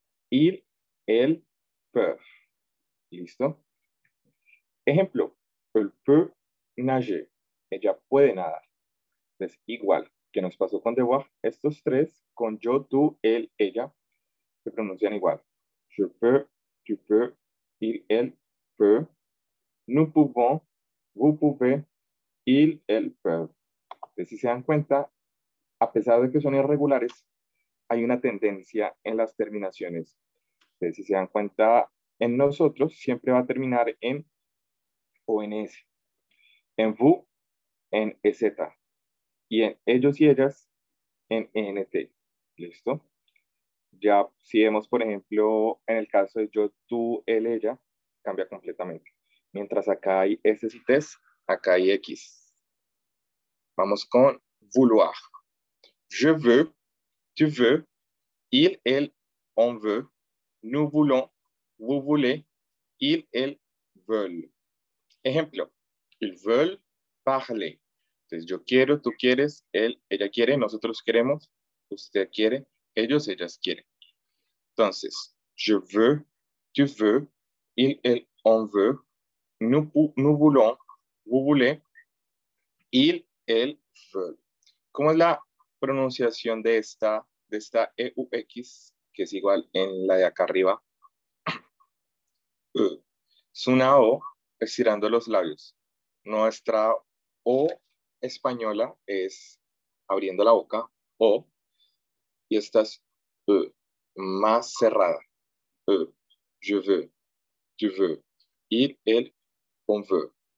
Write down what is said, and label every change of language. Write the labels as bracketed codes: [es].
[fr] Il, elle, peut. [es] ¿Listo? Ejemplo. [fr] Elle peut nager. [es] Ella puede nadar. Entonces, igual que nos pasó con Devoir, estos tres, con yo, tú, él, ella, se pronuncian igual. [fr] Je peux, tu peux, il, elle, peut. Nous pouvons, vous pouvez, il, elle, peut. [es] Entonces, si se dan cuenta, a pesar de que son irregulares, hay una tendencia en las terminaciones. Entonces, si se dan cuenta, en nosotros siempre va a terminar en o en s. En vous, en z. Y en ellos y ellas, en nt. ¿Listo? Ya si vemos, por ejemplo, en el caso de yo, tú, él, ella, cambia completamente. Mientras acá hay s y t's, acá hay x. Vamos con vouloir. [fr] Je veux, tu veux, il, elle, on veut, nous voulons, vous voulez, il, elle, veulent. [es] Ejemplo. [fr] Ils veulent parler. [es] Entonces, yo quiero, tú quieres, él, ella quiere, nosotros queremos, usted quiere, ellos, ellas quieren. Entonces, [fr] je veux, tu veux, il, elle, on veut, nous voulons, vous voulez, il, elle, veut. [es] ¿Cómo es la pronunciación de esta EUX, que es igual en la de acá arriba? Es una O estirando los labios. Nuestra O española es abriendo la boca, O, y esta es E, más cerrada. [fr] E, je veux, tu veux, il, elle, on veut.